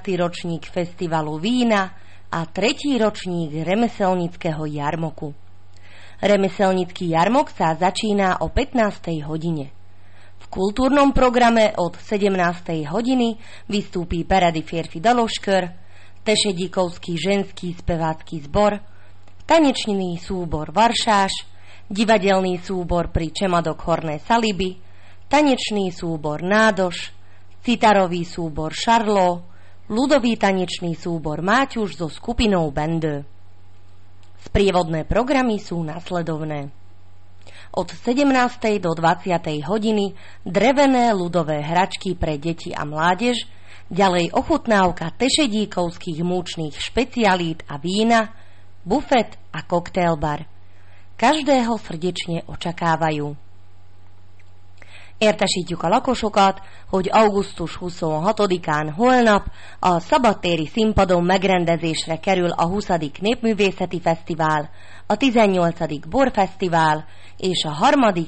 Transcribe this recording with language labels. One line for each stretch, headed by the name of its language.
Slovak: ročník festivalu vína a 3. ročník remeselnického jarmoku. Remeselnický jarmok sa začína o 15. hodine. V kultúrnom programe od 17. hodiny vystúpí Parady Férfi Dološkör, Tešedíkovský ženský spevácky zbor, tanečný súbor Varšáš, divadelný súbor pri Čemadok Horné Saliby, tanečný súbor Nádoš, citarový súbor Šarlo, ľudový tanečný súbor Máťuš so skupinou Bende. Sprievodné programy sú nasledovné. Od 17. do 20. hodiny drevené ľudové hračky pre deti a mládež, ďalej ochutnávka tešedíkovských múčných špecialít a vína, bufet a koktail bar. Každého srdečne očakávajú.
Hungarian: Értesítjük a lakosokat, hogy augusztus 26-án holnap a szabadtéri színpadon megrendezésre kerül a 20. népművészeti fesztivál, a 18. borfesztivál és a 3.